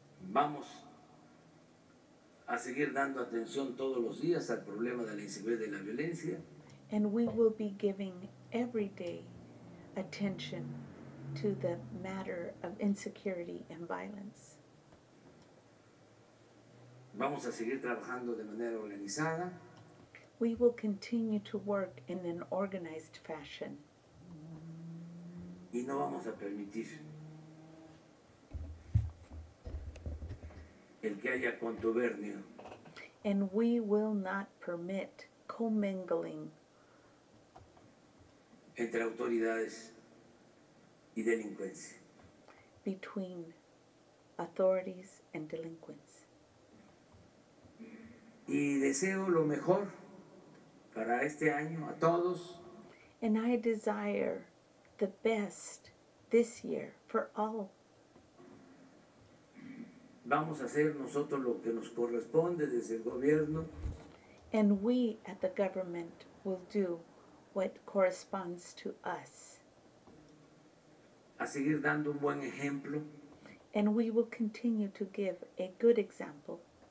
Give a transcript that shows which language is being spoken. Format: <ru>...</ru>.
<es>Vamos a seguir dando atención todos los días al problema de la inseguridad y de la violencia.</es> <en>And we will be giving every day attention to the matter of insecurity and violence.</en> <es>Vamos a seguir trabajando de manera organizada.</es> <en>We will continue to work in an organized fashion.</en> <es>Y no vamos a permitir el que haya contubernio.</es> <en>And we will not permit commingling</en> <es>entre autoridades y delincuencia.</es> <en>Between authorities and delinquents.</en> <es>Y deseo lo mejor para este año a todos.</es> <en>And I desire the best this year for all.</en> <es>Vamos a hacer nosotros lo que nos corresponde desde el gobierno.</es> <en>And we at the government will do what corresponds to us.</en> <es>A seguir dando un buen ejemplo.</es> <en>And we will continue to give a good example.</en>